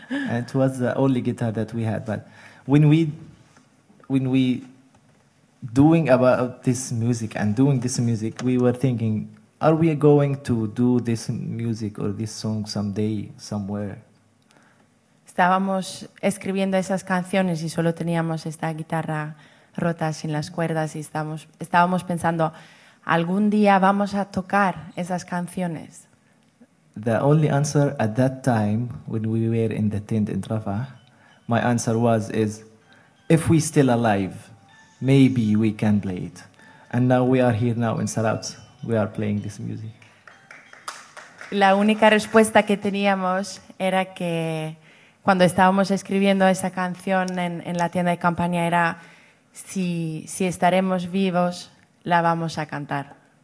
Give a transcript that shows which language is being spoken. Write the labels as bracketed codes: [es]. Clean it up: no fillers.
[en] And it was the only guitar that we had, but when we doing about this music and doing this music, we were thinking, are we going to do this music or this song someday, somewhere? [es] Estábamos escribiendo esas canciones y solo teníamos esta guitarra rota sin las cuerdas y estábamos pensando, ¿algún día vamos a tocar esas canciones? [en] The only answer at that time when we were in the tent in Rafah, my answer was is, if we still alive, maybe we can play it. And now we are here now in Zarautz, we are playing this music. [es] La única respuesta que teníamos era que cuando estábamos escribiendo esa canción en la tienda de campaña era si estaremos vivos, la vamos a cantar.